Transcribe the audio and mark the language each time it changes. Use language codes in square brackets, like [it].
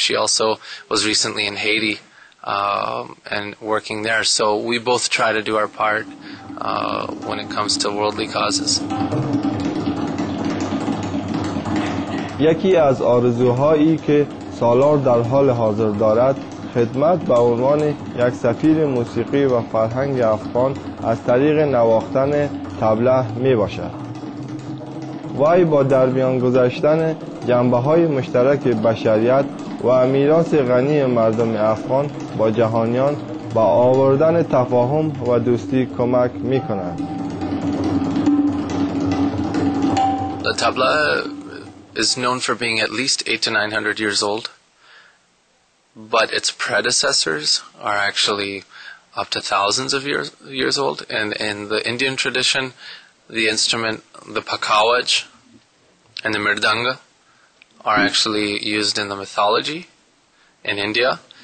[en] She also was recently in Haiti and working there, so we both try to do our part when it comes to worldly causes. [fa] یکی از آرزوهایی که سالار در حال حاضر دارد خدمت به عنوان یک سفیر موسیقی و فرهنگ افغان از طریق نواختن طبله می باشد. وای با درمیان گذاشتن جنبه های مشترک بشریت و میراث غنی مردم افغان با جهانیان با آوردن تفاهم و دوستی کمک میکنند. [en] The tabla is known for being at least 800 to 900 years old, but its predecessors are actually up to thousands of years old. And in the Indian tradition, the instrument, the pakawaj and the mridanga are actually used in the mythology in India.